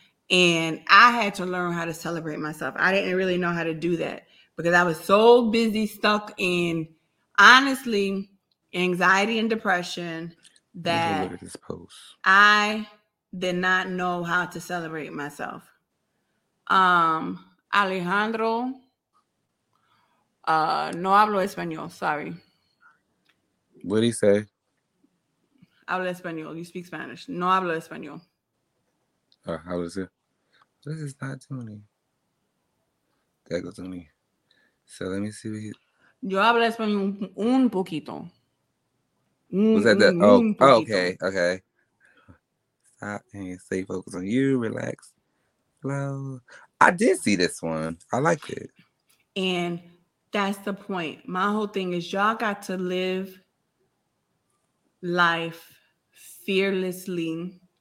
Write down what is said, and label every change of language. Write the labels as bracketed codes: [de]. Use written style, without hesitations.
[en] And I had to learn how to celebrate myself. I didn't really know how to do that because I was so busy, stuck in. Honestly, anxiety and depression that I did not know how to celebrate myself. [es] Alejandro, no hablo español, [en] sorry. What did he say? [es] Hablo español, [en] you speak Spanish. [es] No hablo español. [en] How is it? This is not Tony. There goes Tony. So let me see what he... [es] Yo hablo español un poquito. [en] Was that that? Oh, okay. Stop and stay focused on you. Relax. Hello. I did see this one. I like it. And that's the point. My whole thing is y'all got to live life fearlessly.